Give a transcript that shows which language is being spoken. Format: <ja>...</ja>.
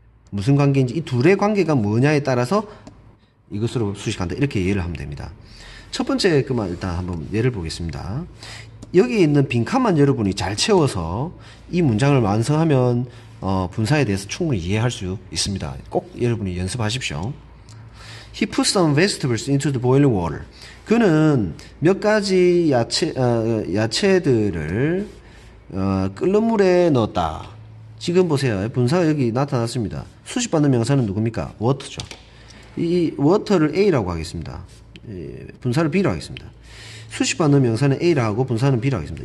<ko>무슨 관계인지, 이 둘의 관계가 뭐냐에 따라서 이것으로 수식한다, 이렇게 이해를 하면 됩니다. 첫 번째, 그만 일단 한번 예를 보겠습니다. 여기 있는 빈칸만 여러분이 잘 채워서 이 문장을 완성하면 분사에 대해서 충분히 이해할 수 있습니다. 꼭 여러분이 연습하십시오.</ko> <en>He put some vegetables into the boiling water.</en> <ko>그는 몇 가지 야채들을 끓는 물에 넣었다. 지금 보세요. 분사가 여기 나타났습니다. 수식받는 명사는 누굽니까? water죠. 이 water를 A라고 하겠습니다. 분사를 B라고 하겠습니다. 수식받는 명사는 A라고 하고 분사는 B라고 하겠습니다.</ko>